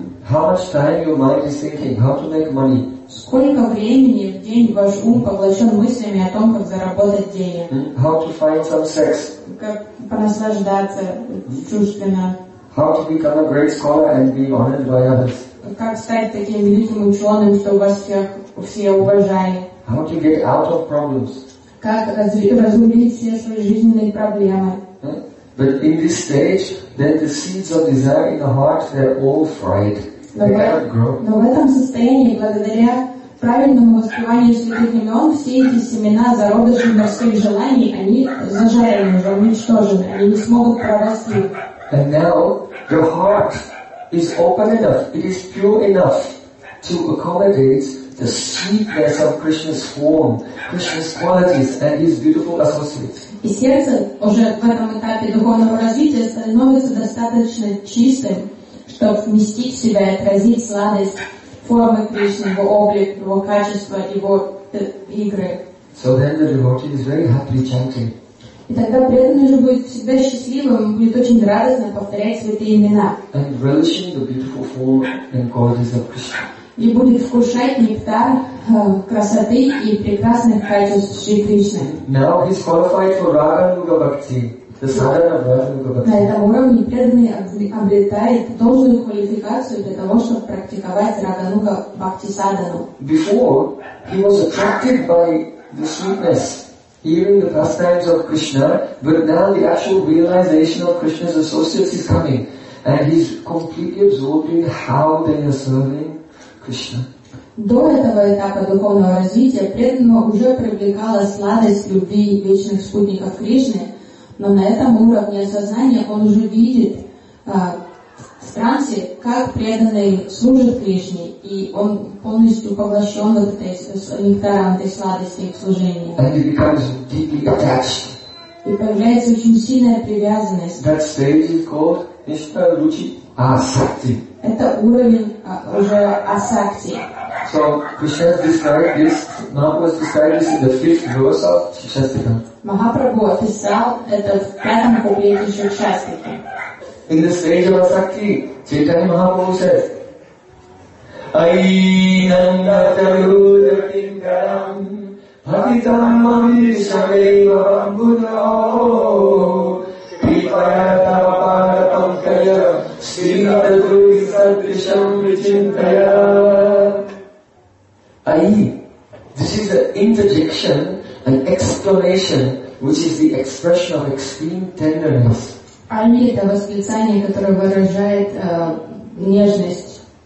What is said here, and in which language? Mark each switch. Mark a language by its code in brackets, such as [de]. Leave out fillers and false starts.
[en] How much time your mind is thinking how to make money? [ru] Сколько времени в день ваш ум поглощен мыслями о том, как заработать деньги? [en] How to find some sex? [ru] Как понаслаждаться чувственно? [en] How to become a great scholar and be honored by others? [ru] Как стать таким великим ученым, что вас все уважали? [en] How to get out of problems? [ru] Как разрулить все свои жизненные проблемы? [en] But in this stage, then the seeds of desire in the heart, they're all fried. They cannot grow. [ru] Но в этом состоянии, благодаря правильному воспеванию святых имен, все эти семена зародышей мирских желаний, они зажарены, уничтожены, они не смогут прорасти. [en] And now your heart is open enough, it is pure enough to accommodate the sweetness of Krishna's form, Krishna's qualities and his beautiful associates. [ru] И сердце уже в этом этапе духовного развития становится достаточно чистым, чтобы вместить в себя и отразить сладость формы Кришны, его облик, его качества, его игры. [en] So then the devotee is very happily chanting. [ru] И тогда преданный уже будет всегда счастливым, будет очень радостно повторять святые имена. [en] And relishing the beautiful form and qualities of Krishna. [ru] И будет вкушать нектар красоты и прекрасных качеств Шри Кришны. [en] Now he's qualified for Raga Yuga Bhakti, the sadhana of Raga Yuga Bhakti. [ru] На этом уровне преданный обретает должную квалификацию для того, чтобы практиковать Raga Yuga Bhakti Sadhana. [en] Before he was attracted by the sweetness. Even the pastimes of Krishna, but now the actual realization of Krishna's associates is coming, and he's completely absorbed in how they are serving Krishna. [ru] До этого этапа духовного развития преданного уже привлекала сладость любви вечных спутников Кришны, но на этом уровне осознания он уже видит в трансе, как преданный служит Кришне, и он полностью поглощен нектаром этой сладости их служения. [en] And he becomes deeply attached. [ru] И появляется очень сильная привязанность. [en] That stage is called Nishtaruchi Asakti. [ru] Это уровень уже Асакти. [en] So Krishna described this, Mahaprabhu described this in the fifth verse of Шикшастика. [ru] Махапрабху описал это в пятом куплете Шикшастики. [en] In the stage of Asakti, Chaitanya Mahaprabhu says, Ainanda Charuda Pingaram Bhavitamam Shameivam Buddha Vipayata Vapadatam Kaya Srinata Duri Sadrisham Vichintaya. This is an interjection, an explanation, which is the expression of extreme tenderness. [ru] Ани — это восклицание, которое выражает нежность.